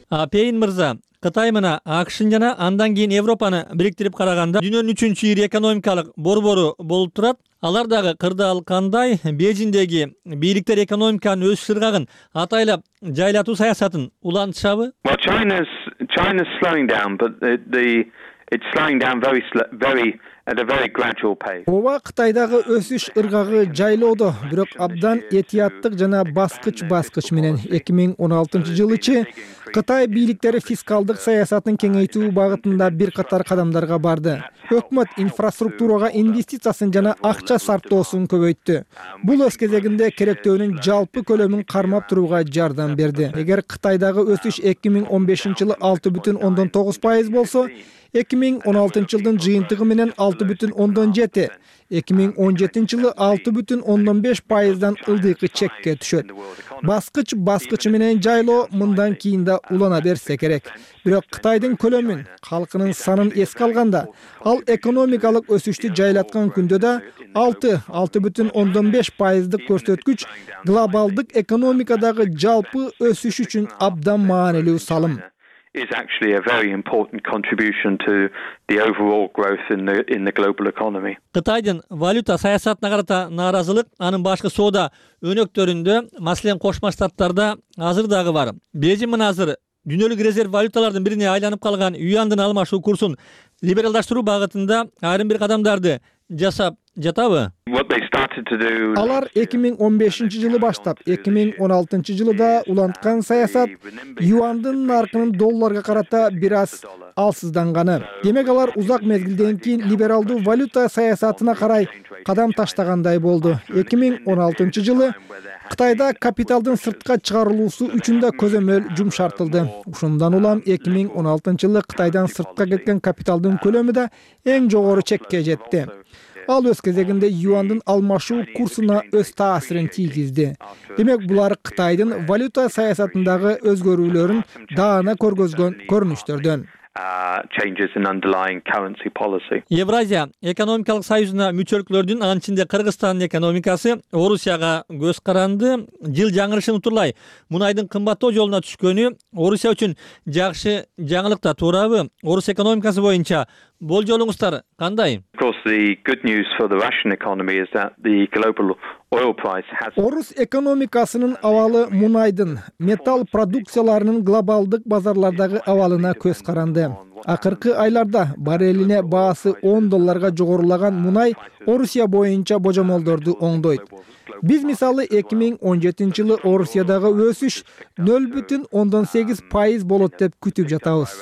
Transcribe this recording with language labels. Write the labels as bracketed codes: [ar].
[ky] Пейн мырза, Кытай мына АКШын жана андан кийин Европаны бириктирип караганда дүйнөнүн үчүнчү ири экономикалык борбору болуп турат. Алар дагы кырдаал кандай? Бээжиндеги бийликтер экономиканын өз сыргагын атайлап жайлатуу саясатын улантышабы? [en] Well, China's slowing down, but it's slowing down very at a very gradual pace. [ky] Ооба, Кытайдагы өсүш ыргагы жайлоодо, бирок абдан этияттык жана баскыч-баскыч менен. 2016 жылычы Кытай бийликтери фискалдык саясатын кеңейтүү багытында бир катар кадамдарга барды. Өкмөт инфраструктурага инвестициясын жана акча сарптоосун көбөйттү. Бул өз кезегинде керектөөнүн жалпы көлөмүн кармап турууга жардам берди. Эгер Кытайдагы өсүш 2015 жылы 6.9% болсо, 2016 жылдын жыйынтыгы менен 6.7, 2017 жылы 6.5%дан ылдыйкы чекке түшөт. Баскыч баскычы менен жайлоо мындан кийин да улана берсе керек. Бирок Кытайдын көлөмүн, калкынын санын эске алганда, ал экономикалык өсүштү жайлаткан күндө да 6.5% көрсөткүч глобалдык экономикадагы жалпы өсүш үчүн абдан маанилүү салым. [en] Is actually a very important contribution to the overall growth in the global economy. [ky] Кытайдын валюта саясатына карата нааразылык анын башкы соода өнөктөрүндө, маселен, Кошмо Штаттарда азыр дагы бар. Бээжин мына азыр дүйнөлүк резерв валюталардын бирине айланып калган юандын алмашуу курсун либералдаштыруу багытында айрым бир кадамдарды жасап жатабы? Алар 2015 жылы баштап, 2016 жылы да уланткан саясат юандын наркынын долларга карата бир аз алсызданганы. Демек алар узак мезгилден кийин либералдуу валюта саясатына карай кадам таштагандай болду. 2016 жылы Кытайда капиталдын сыртка чыгарылуусу үчүн да көзөмөл жумшартылды. Ушундан улам 2016 жылы Кытайдан сыртка кеткен капиталдын көлөмү да эң жогору чекке жетти. Ал өз кезегинде юандын алмашуу курсуна өз таасирин тийгизди. Демек булар Кытайдын валюта саясатындагы өзгөрүүлөрүн даана көргөзгөн көрүнүштөрдөн. [en] Changes in underlying currency policy. [ky] Евразия экономикалык союзуна мүчөлүклөрдүн анын ичинде Кыргызстандын экономикасы Орусияга көз каранды. Жыл жаңырышын утурлай мунайдын кымбаттоо жолуна түшкөнү Орусия үчүн жакшы жаңылык да, туурабы? Орус экономикасы боюнча болжолуңуздар кандай? [en] Of course, the good news for the Russian economy is that the global oil price has. [ky] Орус экономикасынын абалы мунайдын, металл продукцияларынын глобалдык базарлардагы абалына көз каранды. Акыркы айларда барреллине баасы $10 жогорулаган мунай Орусия боюнча божомолдорду оңдойт. Биз мисалы 2017 жылы Орусиядагы өсүш 0.8% болот деп күтүп жатабыз.